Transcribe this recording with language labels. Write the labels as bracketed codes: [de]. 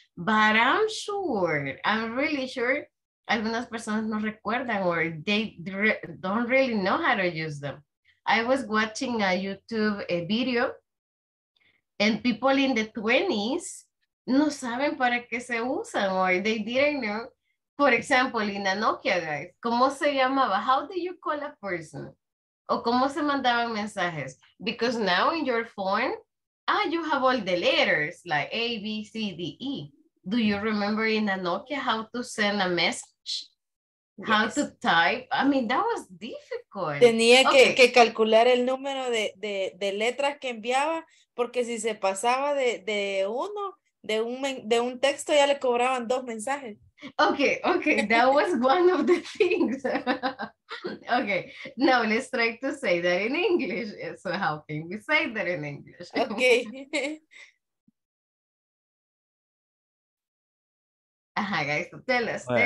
[en] But I'm really sure, [es] algunas personas no recuerdan [en] or they don't really know how to use them. I was watching a YouTube video and people in the 20s [es] no saben para qué se usan [en] or they didn't know. For example, in a Nokia, guys, [es] ¿cómo se llamaba? [en] How do you call a person? [es] ¿O cómo se mandaban mensajes? [en] Because now in your phone, you have all the letters, like A, B, C, D, E. Do you remember in a Nokia how to send a message? Yes. How to type? I mean, that was difficult. [es] Tenía okay. que calcular el número de letras que enviaba, porque si se pasaba de un texto, ya le cobraban dos mensajes. [en] Okay, that was one of the things. Okay, now let's try to say that in English. So how can we say that in English? Okay. guys, tell us.